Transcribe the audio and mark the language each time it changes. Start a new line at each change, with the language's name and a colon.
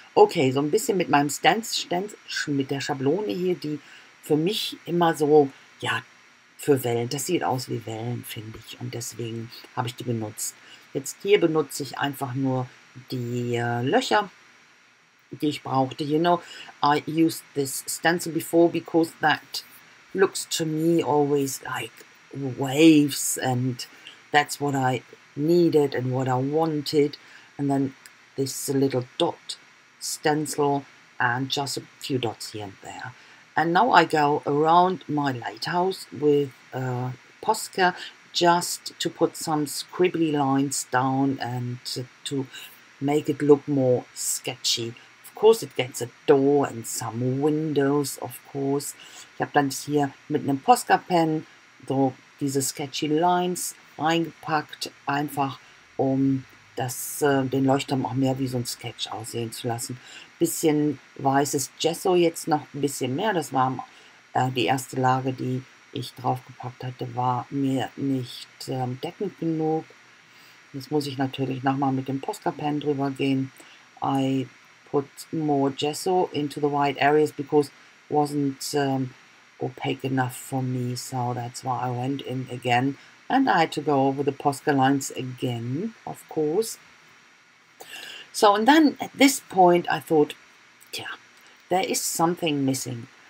German: Okay, so ein bisschen mit meinem Stance, mit der Schablone hier, die für mich immer so, ja, für Wellen, das sieht aus wie Wellen, finde ich. Und deswegen habe ich die benutzt. Jetzt hier benutze ich einfach nur die Löcher, die ich brauchte.
English: You know, I used this stencil before because that looks to me always like waves, and that's what I needed and what I wanted. And then this little dot stencil and just a few dots here and there. And now I go around my lighthouse with Posca just to put some scribbly lines down and to make it look more sketchy. Of course it gets a door and some windows, of course.
German: Ich habe dann hier mit einem Posca-Pen so diese sketchy Lines reingepackt, einfach um das, den Leuchtturm auch mehr wie so ein Sketch aussehen zu lassen. Bisschen weißes Gesso jetzt noch ein bisschen mehr, das war die erste Lage, die ich draufgepackt hatte, war mir nicht deckend genug. Jetzt muss ich natürlich nochmal mit dem Posca-Pen drüber gehen.
English: I put more gesso into the white areas because it wasn't opaque enough for me. So that's why I went in again. And I had to go over the Posca lines again, of course. So, and then at this point, I thought, yeah, there is something missing.